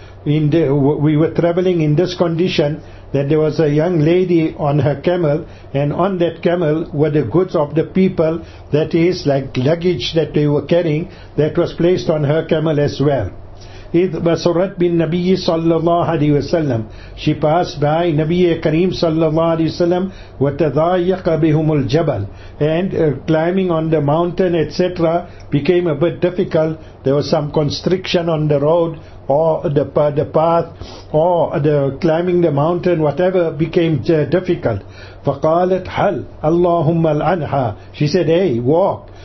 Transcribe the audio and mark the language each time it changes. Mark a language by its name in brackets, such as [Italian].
[English] We were traveling in this condition that there was a young lady on her camel, and on that camel were the goods of the people, that is like luggage that they were carrying, that was placed on her camel as well. [Arabic] إِذْ بَصُرَتْ بِالنَّبِيِّ صَلَّى اللَّهُ عَلَيْهِ وَسَلَّمْ. [English] She passed by Nabi Kareem [Arabic] صَلَّى اللَّهُ عَلَيْهِ وَسَلَّمْ وَتَضَايَّقَ بِهُمُ الْجَبَلْ. [English] And climbing on the mountain, etc., became a bit difficult. There was some constriction on the road, or the path, or the climbing the mountain, whatever, became difficult. [Arabic] فَقَالَتْ حَلْ أَلَّهُمَّ الْعَنْحَا. [English] She said, "Hey, walk.